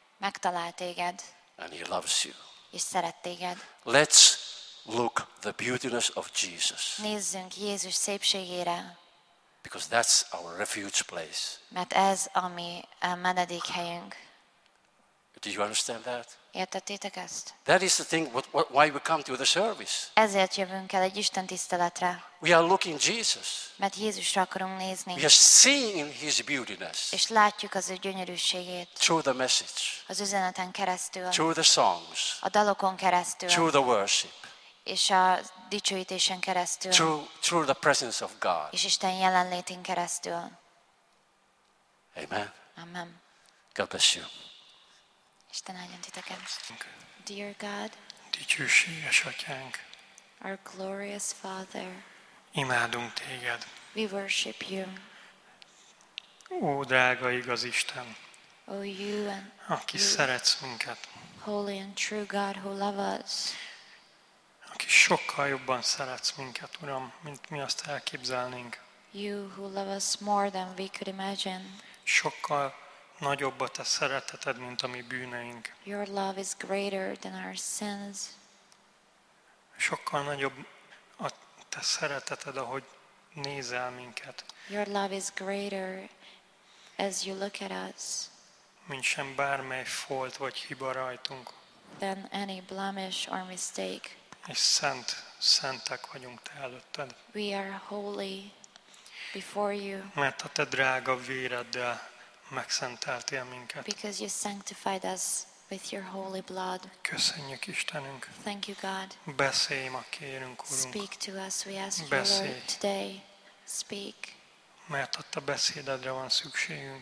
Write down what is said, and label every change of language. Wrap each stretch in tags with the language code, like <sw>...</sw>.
<hu>Megtalált téged.</hu> <en>And he loves you.</en> <hu>És szeret téged.</hu> <en>Let's look the beautiness of Jesus.</en> <hu>Nézzünk Jézus szépségére.</hu> <en>Because that's our refuge place.</en> <hu>Mert ez a mi menedékhelyünk.</hu> <en>Do you understand that?</en> <hu>Értettétek ezt?</hu> <en>That is the thing why we come to the service.</en> <hu>Ezért jövünk el egy Isten tiszteletre.</hu> <en>We are looking Jesus.</en> <hu>Mert Jézusra akarunk nézni.</hu> <en>We are seeing his beautiness.</en> <hu>És látjuk az ő gyönyörűségét.</hu> <en>Through the message.</en> <hu>Az üzeneten keresztül.</hu> <en>Through the songs.</en> <hu>A dalokon keresztül.</hu> <en>Through the worship.</en> <hu>És a dicsőítésen keresztül.</hu> <en>Through the presence of God.</en> <hu>És Isten jelenlétén keresztül.</hu> <en>Amen.</en> <hu>Amen.</hu> <en>God bless you.</en> <hu>Isten áldjon titeket.</hu> <en>Dear God,</en> <hu>dicsőséges atyánk,</hu> <en>our glorious Father,</en> <hu>imádunk téged.</hu> <en>We worship you.</en> <hu>Ó, drága igaz Isten,</hu> <en>oh, you and</en> <hu>aki you, szeretsz minket,</hu> <en>holy and true God who love us,</en> <hu>aki sokkal jobban szeretsz minket, Uram, mint mi azt elképzelnénk.</hu> <en>You who love us more than we could imagine.</en> <hu>Sokkal nagyobb a te szereteted, mint a mi bűneink.</hu> <en>Your love is greater than our sins.</en> <hu>Sokkal nagyobb a te szereteted, ahogy nézel minket.</hu> <en>Your love is greater as you look at us.</en> <hu>Mint sem bármely folt vagy hiba rajtunk.</hu> <en>Than any blemish or mistake.</en> <hu>És szent, szentek vagyunk te előtted.</hu> <en>We are holy before you.</en> <hu>Mert a te drága véreddel megszenteltél minket.</hu> <en>Because you sanctified us with your holy blood.</en> <hu>Köszönjük Istenünk.</hu> <en>Thank you God.</en> <hu>Beszélj ma, kérünk, Urunk.</hu> <en>Speak to us, we ask</en> <hu>Beszélj.</hu> <en>You Lord today. Speak.</en> <hu>Mert a te beszédedre van szükségünk.</hu>